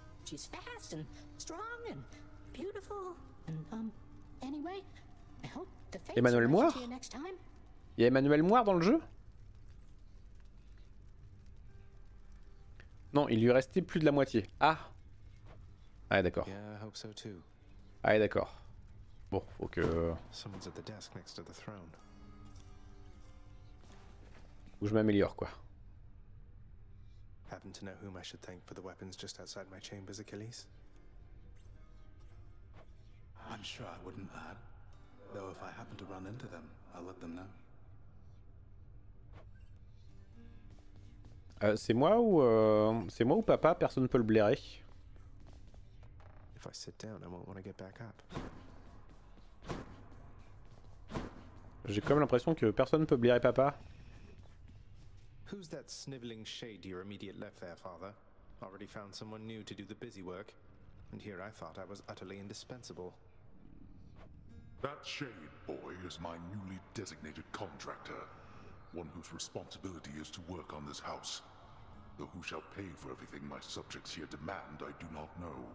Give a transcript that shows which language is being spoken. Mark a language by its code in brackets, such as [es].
[en] She's fast and strong and beautiful and anyway, I hope the fate. [fr] Emmanuel Moir. Il y a Emmanuel Moir dans le jeu. Non, il lui restait plus de la moitié. Ah. Ah d'accord. [en] Yeah, I hope so too. [fr] Ah d'accord. Bon, faut que... [en] Someone's at the desk next to the throne. [fr] Où je m'améliore, quoi. [en] Happen to know whom I should thank for the weapons just outside my chambers, Achilles? I'm sure I wouldn't, lad. Though if I happen to run into them, I'll let them know. [fr] C'est moi ou papa, personne peut le blairer. [en] If I sit down, I won't want to get back up. [fr] J'ai comme l'impression que personne peut blairer papa. [en] Who's that sniveling shade to your immediate left there, father? Already found someone new to do the busy work. And here I thought I was utterly indispensable. That shade boy is my newly designated contractor. One whose responsibility is to work on this house. Though who shall pay for everything my subjects here demand, I do not know.